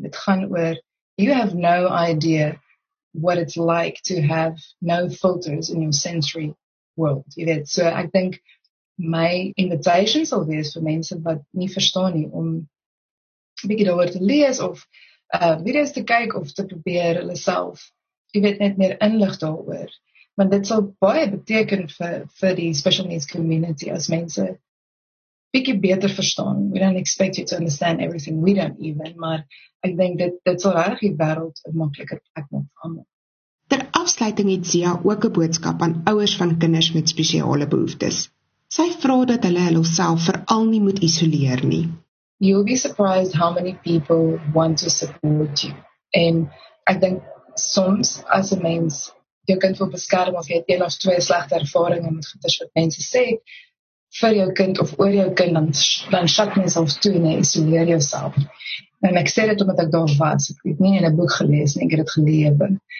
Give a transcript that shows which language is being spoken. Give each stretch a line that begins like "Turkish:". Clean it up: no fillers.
Afrikaans: Dit gaan oor,
English: you have no idea what it's like to have no filters in your sensory world.
Afrikaans: Jy weet, so ek dink my invitation sal wees vir mense wat nie verstaan nie, om een bietjie daaroor te lees of video's te kyk of te probeer hulle self, jy weet, net meer inlig daaroor. Want dit sal baie beteken vir die special needs community as mense bietjie beter verstaan.
English: We don't expect you to understand everything. We don't even,
Afrikaans: maar ek dink dit sal regtig die wêreld 'n makliker plek maak vir almal. Ter afsluiting het Zia ook 'n boodskap aan ouers van kinders met spesiale behoeftes. Sy vra dat hulle hulself veral nie moet isoleer nie.
English: You'll be surprised how many people want to support you.
Afrikaans: En ek dink soms as 'n mens jou kind wil beskerm of jy het 1 of 2 slegte ervarings met goeders wat mense sê, vir jou kind of oor jou kind, dan shut myself toe en isoleer jouself. En ek sê dit omdat ek daar was, ek het nie in 'n boek gelees en ek het dit gelewe.